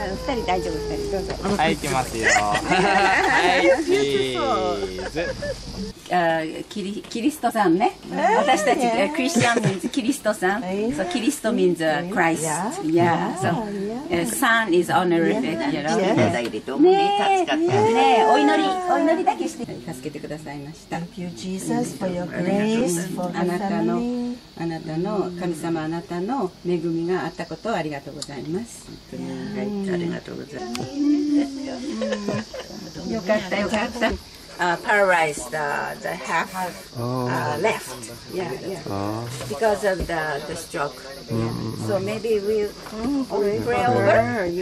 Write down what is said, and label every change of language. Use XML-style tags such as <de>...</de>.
<ja>はい、行きますよ。はい、チーズ。キリストさんね。私たち、クリスチャン means キリストさん。</ja> <en>So, キリスト means Christ. Yeah. So, son is honorific, you know.</en> <ja>ね、助かったね。お祈り、お祈りだけして。助けてくださいました。</ja> <en>Thank you, Jesus, for your grace, for your family.</en> <ja>あなたの、神様あなたの恵みがあったことをありがとうございます。本当に、ありがとうございます。よかった、よかった。</ja> <en>Paralyzed the half left, yeah. Because of the stroke. Mm-hmm. So maybe we'll pray over. Yes.</en>